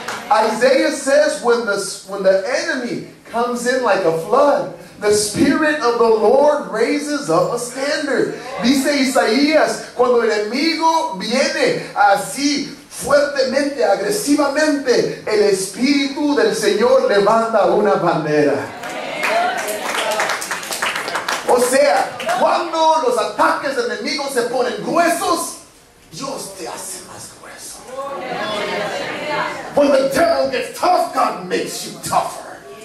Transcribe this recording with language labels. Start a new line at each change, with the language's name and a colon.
English: Isaiah says when the enemy comes in like a flood, the Spirit of the Lord raises up a standard.
Spanish: Dice Isaías, cuando el enemigo viene así fuertemente, agresivamente, el Espíritu del Señor levanta una bandera. O sea, cuando los ataques del enemigo se ponen gruesos, Dios te hace más grueso.
English: When the devil gets tough, God makes you tougher.